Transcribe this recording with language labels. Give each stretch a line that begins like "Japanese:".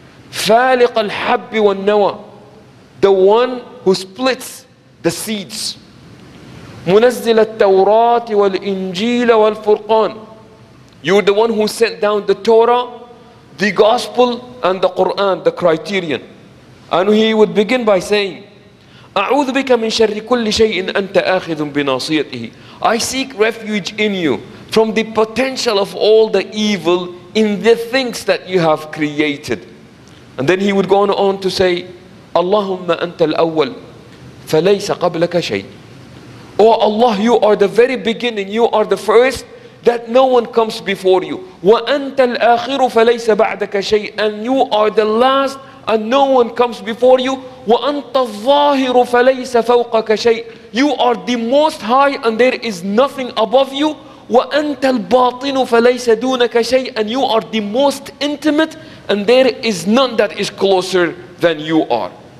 Arabic: Faliq al-habbi wa nawa.
English: The one who splits the seeds.
Arabic: Munazzil al-tawrat wal-injil wal-furqan.
English: You are the one who sent down the Torah, the Gospel, and the Quran, the criterion. And he would begin by saying,
Arabic: أعوذ بك من شر كل شيء أنت آخذ بناصيته.
English: I seek refuge in you from the potential of all the evil in the things that you have created. And then he would go on to say,
Arabic: اللهم أنت الأول فليس قبلك شيء.
English: Oh Allah, you are the very beginning, you are the first, that no one comes before you.
Arabic: وأنت الآخر فليس بعدك شيء.
English: And you are the last, and no one comes before you.
Arabic: وَأَنْتَ الظَّاهِرُ فَلَيْسَ فَوْقَكَ شَيْءٍ.
English: You are the most high and there is nothing above you.
Arabic: وَأَنْتَ الْبَاطِنُ فَلَيْسَ دُونَكَ شَيْءٍ.
English: And you are the most intimate and there is none that is closer than you are.